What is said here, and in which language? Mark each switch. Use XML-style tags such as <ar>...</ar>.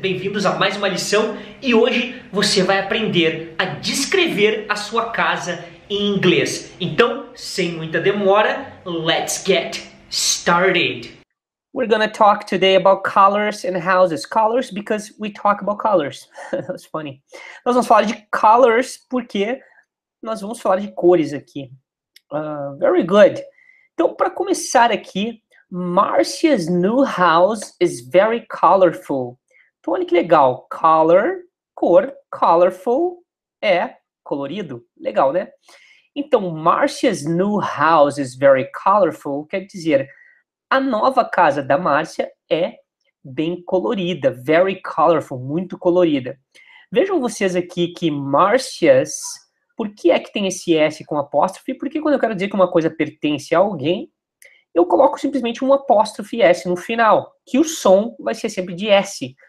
<pt>Bem-vindos a mais uma lição e hoje você vai aprender a descrever a sua casa em inglês. Então, sem muita demora,</pt> <en>let's get started. We're gonna talk today about colors and houses. Colors because we talk about colors. That's funny.</en> <pt>Nós vamos falar de colors porque nós vamos falar de cores aqui.</pt> <en>Very good.</en> <pt>Então, para começar aqui,</pt> <en>Marcia's new house is very colorful.</en> <pt>Então, olha que legal. Color, cor, colorful, é colorido. Legal, né?</pt> <en>Então, Marcia's new house is very colorful.</en> <pt>Quer dizer, a nova casa da Márcia é bem colorida.</pt> <en>Very colorful,</en> <pt>muito colorida. Vejam vocês aqui que Marcia's, por que é que tem esse S com apóstrofe? Porque quando eu quero dizer que uma coisa pertence a alguém, eu coloco simplesmente um apóstrofe S no final, que o som vai ser sempre de S.</pt>